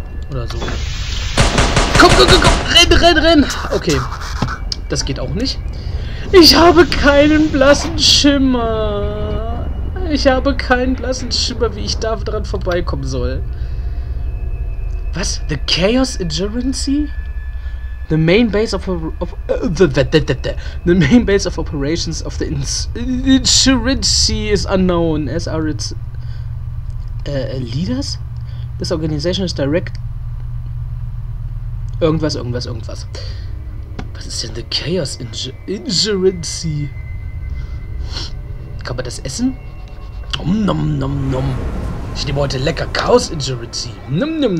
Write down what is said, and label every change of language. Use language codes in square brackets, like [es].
[de] Oder so. Komm, komm, komm, komm! Renn! Okay. Das geht auch nicht. Ich habe keinen blassen Schimmer. Wie ich da dran vorbeikommen soll. Was? The Chaos Insurgency? [en] The main base the main base of operations of the insurgency is unknown, as are its leaders. This organization is direct. [de] Irgendwas. Was ist denn the Chaos Insurgency? Kann man das essen? Nom. Ich nehme heute lecker Chaos Insurgency. Nom.